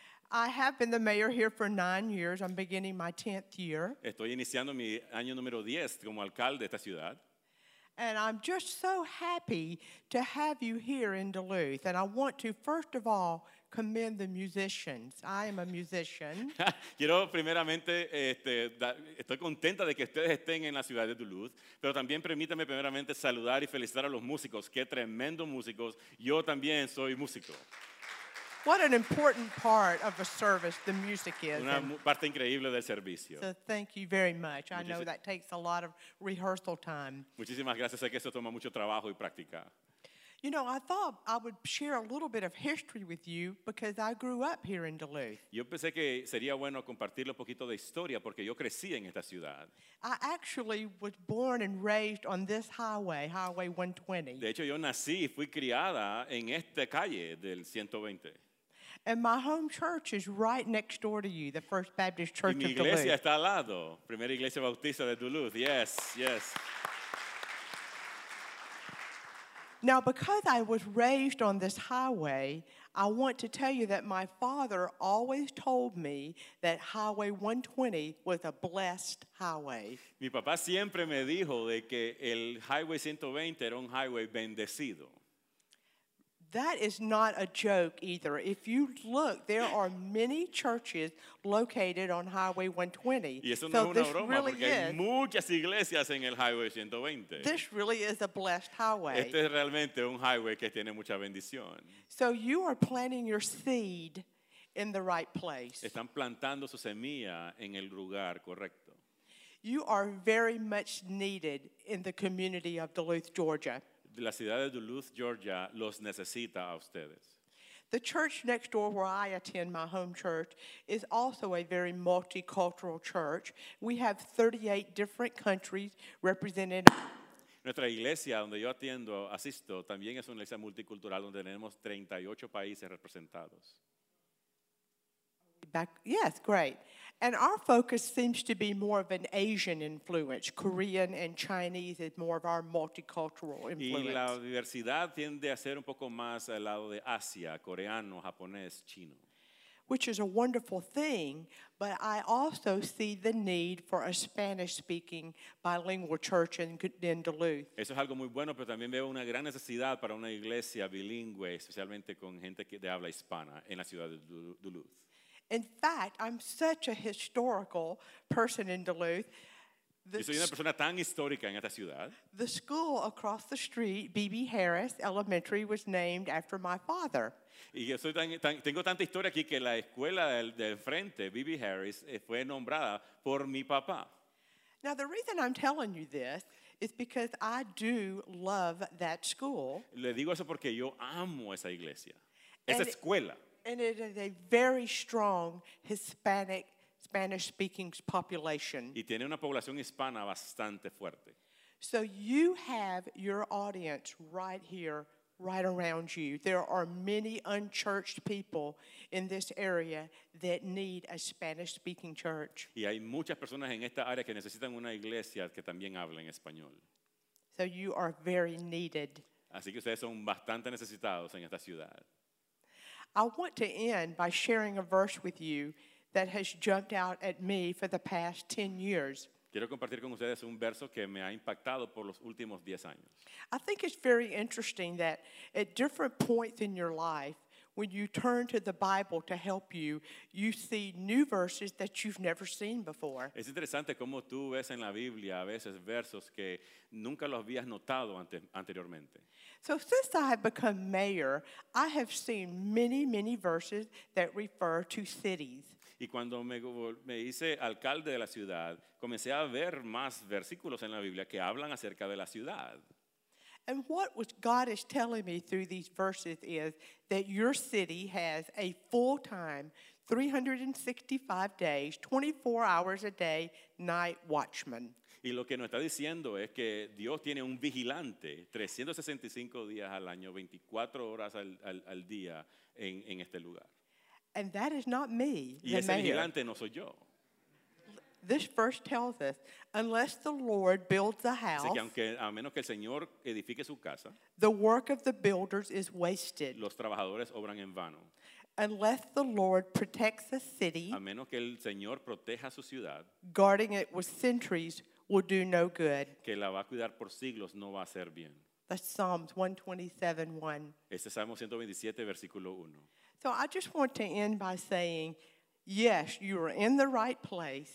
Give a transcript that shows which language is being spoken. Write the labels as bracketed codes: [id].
[en] I have been the mayor here for 9 years. I'm beginning my 10th year. [es] Estoy iniciando mi año número 10 como alcalde de esta ciudad. [en] And I'm just so happy to have you here in Duluth. And I want to, first of all, commend the musicians. I am a musician. [es] Quiero primeramente, estoy contenta de que ustedes estén en la ciudad de Duluth, pero también permítame primeramente saludar y felicitar a los músicos. Qué tremendo músicos. Yo también soy músico. [en] What an important part of a service the music is. [es] Una parte increíble del servicio. [en] So thank you very much. I know that takes a lot of rehearsal time. [es] Muchísimas gracias. Sé que eso toma mucho trabajo y práctica. [en] You know, I thought I would share a little bit of history with you because I grew up here in Duluth. [es] Yo pensé que sería bueno compartir un poquito de historia porque yo crecí en esta ciudad. [en] I actually was born and raised on this highway, Highway 120. [es] De hecho, yo nací y fui criada en esta calle del 120. [en] And my home church is right next door to you, the First Baptist Church of Duluth. [es] Y mi iglesia está al lado, Primera Iglesia Bautista de Duluth. [en] Yes, yes. Now, because I was raised on this highway, I want to tell you that my father always told me that Highway 120 was a blessed highway. [es] Mi papá siempre me dijo de que el Highway 120 era un highway bendecido. [en] That is not a joke either. If you look, there are many churches located on Highway 120. [es] Y eso no es una broma, [en] really [es] porque hay muchas iglesias en el Highway 120. [en] This really is a blessed highway. [es] Este es realmente un highway que tiene mucha bendición. [en] So you are planting your seed in the right place. [es] Están plantando su semilla en el lugar correcto. [en] You are very much needed in the community of Duluth, Georgia. [es] La ciudad de Duluth, Georgia, los necesita a ustedes. [en] The church next door where I attend my home church is also a very multicultural church. We have 38 different countries represented. [es] Nuestra iglesia donde yo atiendo, asisto, también es una iglesia multicultural donde tenemos 38 países representados. [en] Back, yes, great. And our focus seems to be more of an Asian influence. Korean and Chinese is more of our multicultural influence. [es] Y la diversidad tiende a ser un poco más al lado de Asia, coreano, japonés, chino. [en] Which is a wonderful thing, but I also see the need for a Spanish-speaking bilingual church in Duluth. [es] Eso es algo muy bueno, pero también veo una gran necesidad para una iglesia bilingüe, especialmente con gente que de habla hispana en la ciudad de Duluth. [en] In fact, I'm such a historical person in Duluth. [es] Yo soy una persona tan histórica en esta ciudad. [en] The school across the street, B.B. Harris Elementary, was named after my father. [es] Y yo soy tengo tanta historia aquí que la escuela del frente, B.B. Harris, fue nombrada por mi papá. [en] Now, the reason I'm telling you this is because I do love that school. [es] Le digo eso porque yo amo esa iglesia, esa escuela. [en] And it is a very strong Hispanic, Spanish-speaking population. [es] Y tiene una población hispana bastante fuerte. [en] So you have your audience right here, right around you. There are many unchurched people in this area that need a Spanish-speaking church. [es] Y hay muchas personas en esta área que necesitan una iglesia que también hable en español. [en] So you are very needed. [es] Así que ustedes son bastante necesitados en esta ciudad. [en] I want to end by sharing a verse with you that has jumped out at me for the past 10 years. [es] Quiero compartir con ustedes un verso que me ha impactado por los últimos 10 años. [en] I think it's very interesting that at different points in your life, when you turn to the Bible to help you, you see new verses that you've never seen before. [es] Es interesante cómo tú ves en la Biblia a veces versos que nunca los habías notado anteriormente. [en] So since I have become mayor, I have seen many, many verses that refer to cities. [es] Y cuando me hice alcalde de la ciudad, comencé a ver más versículos en la Biblia que hablan acerca de la ciudad. [en] And what God is telling me through these verses is that your city has a full-time, 365 days, 24 hours a day, night watchman. [es] Y lo que nos está diciendo es que Dios tiene un vigilante 365 días al año, 24 horas al día en este lugar. [en] And that is not me, [es] y ese [en] mayor. [es] Vigilante no soy yo. [en] This verse tells us, unless the Lord builds a house, [es] así que aunque, a menos que el Señor edifique su casa, [en] the work of the builders is wasted. [es] Los trabajadores obran en vano. [en] Unless the Lord protects a city, [es] a menos que el Señor proteja su ciudad, [en] guarding it with sentries will do no good. [es] Que la va a cuidar por siglos no va a ser bien. [en] That's Psalms 127:1. [es] Este es Salmo 127, versículo 1. [en] So I just want to end by saying, yes, you are in the right place.